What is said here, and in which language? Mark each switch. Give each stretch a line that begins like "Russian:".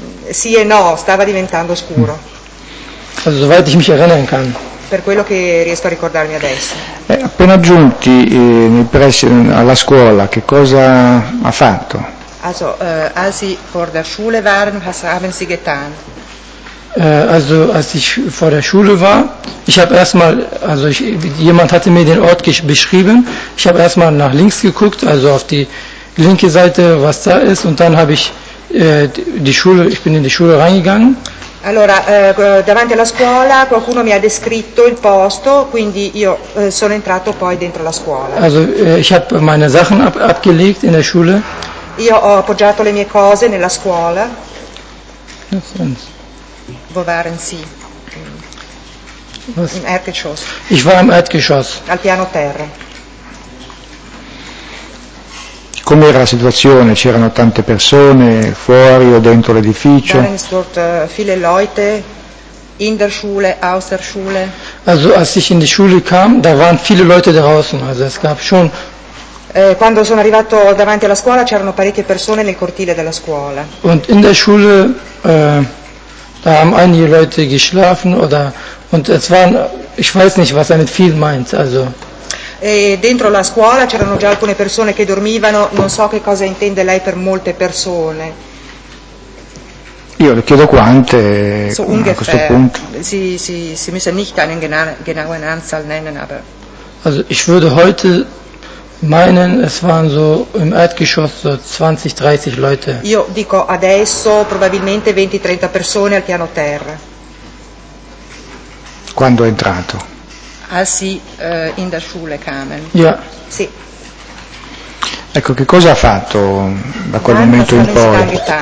Italian: Sì e no, stava diventando scuro.
German: Also soweit ich mich erinnern kann.
Italian: Per quello che riesco a ricordarmi adesso. Appena giunti nei pressi alla scuola, che cosa ha fatto?
German: Also, als Sie vor der Schule waren, was haben Sie getan? Also, als ich vor der Schule war, ich habe erstmal, also ich, jemand hatte mir den Ort beschrieben, ich habe erstmal nach links geguckt, also auf die linke Seite, was da ist, und dann habe ich die Schule, ich bin in die Schule reingegangen.
Italian: Allora, davanti alla scuola qualcuno mi ha descritto il posto, quindi io sono entrato poi dentro la scuola.
German: Also, ich habe meine Sachen abgelegt in der Schule.
Italian: Io ho appoggiato le mie cose nella scuola.
German: Wo waren Sie? Im Erdgeschoss. Ich war im Erdgeschoss.
Italian: Al piano terra. Com'era la situazione? C'erano tante persone fuori o dentro l'edificio?
German: Dort viele Leute in der Schule, aus der Schule. Also, als ich in die Schule kam, da waren viele Leute draußen, also es gab schon.
Italian: Quando sono arrivato davanti alla scuola, c'erano parecchie persone nel cortile della scuola.
German: Und in der Schule da haben einige Leute geschlafen oder und es waren, ich weiß nicht, was er mit viel meint, also.
Italian: E dentro la scuola c'erano già alcune persone che dormivano, non so che cosa intende lei per molte persone. Io le chiedo quante a questo punto.
German: Sie müssen nicht eine genaue Anzahl nennen, aber. Also ich würde heute meinen, es waren so im Erdgeschoss so 20-30 Leute.
Italian: Io dico adesso probabilmente 20-30 persone al piano terra. Quando è entrato?
German: Als sie in der Schule kamen. Ja.
Italian: Sì. Ecco, che cosa ha fatto da quel momento in poi?